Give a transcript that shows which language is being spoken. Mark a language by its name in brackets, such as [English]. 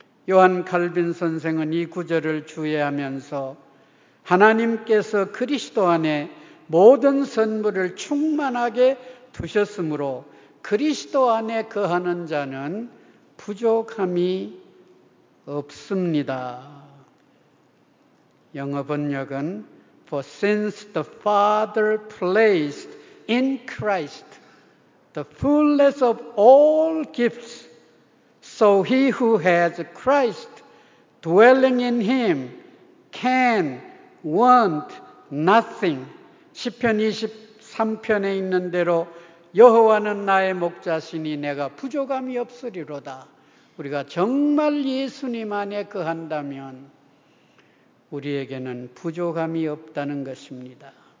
[Korean] 요한 칼빈 선생은 이 구절을 주의하면서 하나님께서 그리스도 안에 모든 선물을 충만하게 두셨으므로 그리스도 안에 거하는 자는 부족함이 없습니다. 영어 번역은 [English] For since the Father placed in Christ the fullness of all gifts, so he who has Christ dwelling in him can want nothing. [Korean] 시편 23편에 있는 대로 여호와는 나의 목자시니 내가 부족함이 없으리로다. 우리가 정말 예수님 안에 거한다면 우리에게는 부족함이 없다는 것입니다.